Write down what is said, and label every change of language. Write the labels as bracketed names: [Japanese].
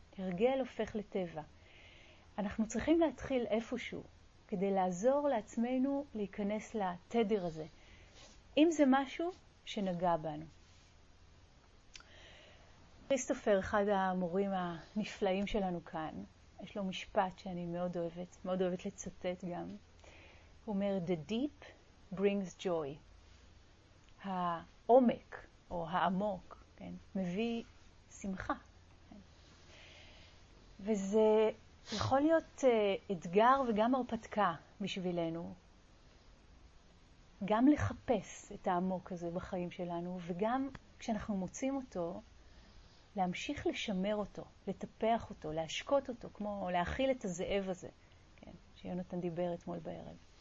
[Hebrew] הרגל הופך לטבע. אנחנו צריכים להתחיל איפשהו, כדי לעזור לעצמנו להיכנס לתדר הזה. אם זה משהו שנגע בנו. כריסטופר, אחד המורים הנפלאים שלנו כאן, יש לו משפט שאני מאוד אוהבת, מאוד אוהבת לצטט גם. הוא אומר, [English] the deep brings joy. [Hebrew] העומק, או העמוק, כן, מביא שמחה. כן. וזה יכול להיות אתגר וגם הרפתקה בשבילנו, גם לחפש את העמוק הזה בחיים שלנו, וגם כשאנחנו מוצאים אותו, להמשיך לשמר אותו, לטפח אותו, להשקוט אותו, כמו להכיל את הזאב הזה, כן, שיונתן דיבר אתמול בערב.